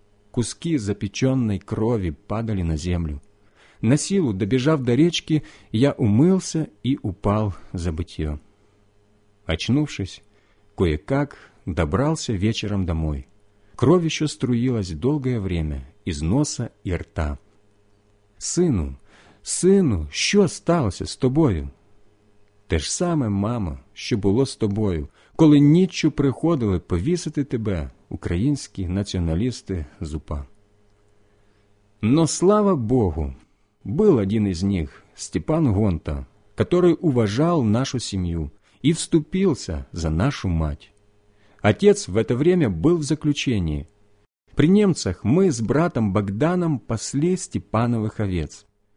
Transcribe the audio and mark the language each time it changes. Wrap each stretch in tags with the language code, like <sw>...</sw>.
<ru>Куски запеченной крови падали на землю. На силу, добежав до речки, я умылся и упал в забытье. Очнувшись, кое-как добрался вечером домой. Кровь еще струилась долгое время из носа и рта.</ru> <uk>«Сыну, сыну, що сталося з тобою?» «Те ж саме, мамо, що було з тобою, коли ніччю приходили повісити тебе, українські націоналісти з УПА».</uk> <ru>Но слава Богу, был один из них, Степан Гонта, который уважал нашу семью и вступился за нашу мать. Отец в это время был в заключении. При немцах мы с братом Богданом пасли Степановых овец.</ru>